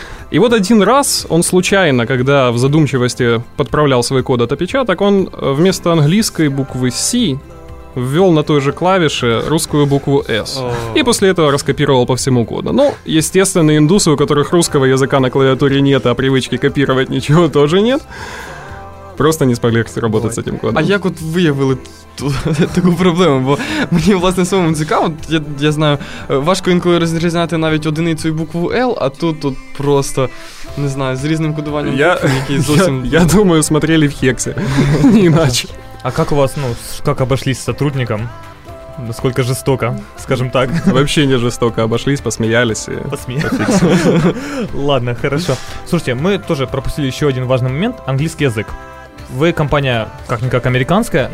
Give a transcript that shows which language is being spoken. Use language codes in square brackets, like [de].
[ru] И вот один раз он случайно, когда в задумчивости подправлял свой код от опечаток, он вместо английской буквы C ввел на той же клавише русскую букву S. И после этого раскопировал по всему коду. Ну, естественно, индусы, у которых русского языка на клавиатуре нет, а привычки копировать ничего тоже нет, просто не смогли работать с этим кодом. [uk] А як от виявили таку проблему? Бо мені, власне, самому цікаво. Я знаю, важко інколи розрізняти навіть одиницю і букву L, а тут просто, не знаю, з різним кодуванням букв, які зовсім... [ru] Я думаю, смотрели в хексі. Не іначе. А как у вас, ну, как обошлись с сотрудником? Насколько жестоко, скажем так. Вообще не жестоко, обошлись, посмеялись. Ладно, хорошо. Слушайте, мы тоже пропустили еще один важный момент. Английский язык. Вы компания как-никак американская.